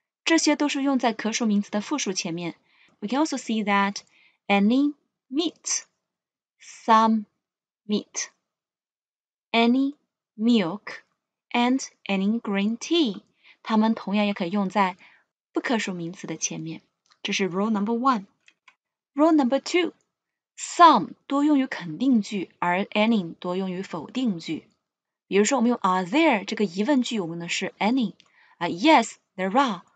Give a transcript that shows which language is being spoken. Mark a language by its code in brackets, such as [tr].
[zh] 这些都是用在可数名词的复数前面。 [en] We can also see that any meat, some meat, any milk, and any green tea. [zh] 它们同样也可以用在不可数名词的前面。这是 [en] rule number one. Rule number two. [zh] Some 多用于肯定句，而 any 多用于否定句。比如说我们用 are there 这个疑问句，我们用的是 any。 [en] Yes, there are.